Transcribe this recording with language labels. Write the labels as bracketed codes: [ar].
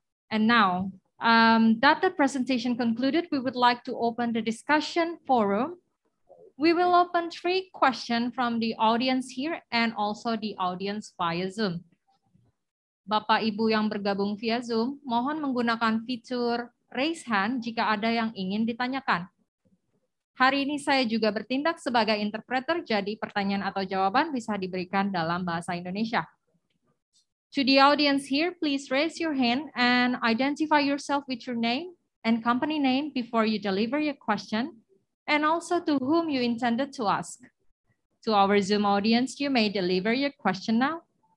[en] And now, that the presentation concluded, we would like to open the discussion forum. We will open 3 questions from the audience here and also the audience via Zoom. [id] Bapak Ibu yang bergabung via Zoom, mohon menggunakan fitur raise hand jika ada yang ingin ditanyakan. Hari ini saya juga bertindak sebagai interpreter, jadi pertanyaan atau jawaban bisa diberikan dalam bahasa Indonesia. [en] To the audience here, please raise your hand and identify yourself with your name and company name before you deliver your question, and also to whom you intended to ask. To our Zoom audience, you may deliver your question now.